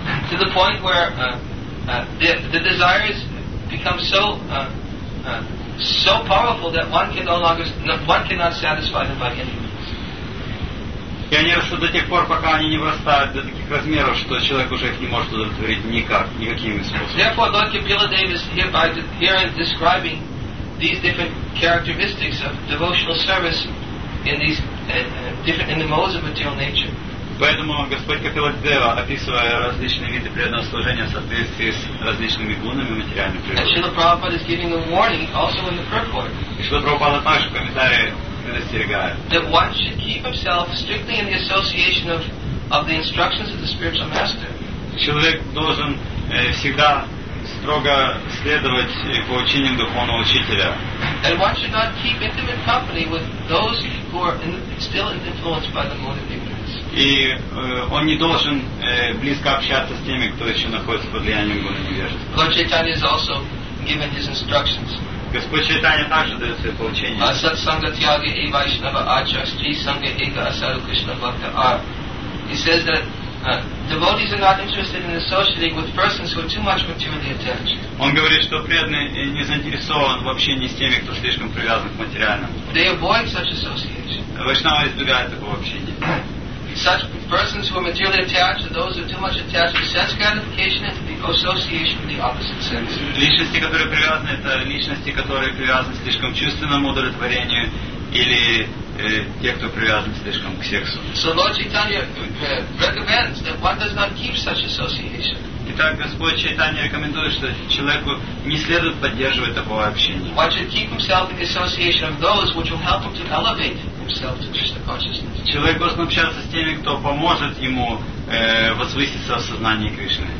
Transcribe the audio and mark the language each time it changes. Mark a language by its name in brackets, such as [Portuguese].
[English] To the point where the desires become so so powerful that one can no longer one cannot satisfy them by any means. [Russian] И они растут до тех пор, пока они не вырастают до таких размеров, что человек уже их не может удовлетворить никак, никакими способами. [English] Therefore, Lord Kapila Deva is here describing these different characteristics of devotional service in these different in the modes of material nature. [Russian] Поэтому Господь Капиладева, описывая различные виды преданного служения в соответствии с различными гунами материальной природы. [English] Шрила Прабхупада is giving a warning also in the purport. [Russian] И Шрила Прабхупада также в комментарии предостерегает. [English] That one should keep himself strictly in the association of the instructions of the spiritual master. [Russian] Человек должен всегда строго следовать по учениям духовного учителя. [English] And one should not keep intimate company with those who are still influenced by the mode of ignorance. [Russian] И он не должен близко общаться с теми, кто еще находится под влиянием гуны невежества. [English] Lord Chaitanya is also given his instructions. [Russian] Господь Чайтанья также дает свои поучения. [Sanskrit] Асад санга тьяги и вайшнава ачар стри санга эка асару кришна бхакта ар. [English] He says that devotees are not interested in associating with persons who are too much materially attached. [Russian] Он говорит, что преданный не заинтересован в общении с теми, кто слишком привязан к материальному. [English] They avoid such association. [Russian] Вайшнава избегает такого общения. [English] Such persons who are materially attached to those who are too much attached to sense gratification and to the association with the opposite sense. [Russian] Личности, которые привязаны, это личности, которые привязаны слишком к чувственному удовлетворению или те, кто привязан слишком к сексу. [English] So Lord Chaitanya recommends that one does not keep such association. [Russian] Итак, Господь Чайтанья рекомендует, что человеку не следует поддерживать такого общения. [English] One should keep himself in the association of those which will help him to elevate himself to Krishna consciousness. [Russian] Человек должен общаться с теми, кто поможет ему возвыситься в сознании Кришны.